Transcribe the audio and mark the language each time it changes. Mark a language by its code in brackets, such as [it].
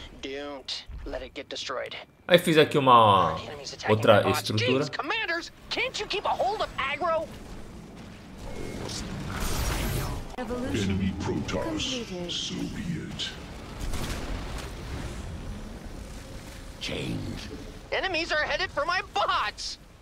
[en] Don't let it get destroyed. [pt] Aí fiz aqui uma outra estrutura. [en] Commanders, can't you keep a hold of aggro? Enemy Protoss. So be it. Change. Enemies are headed for my bots.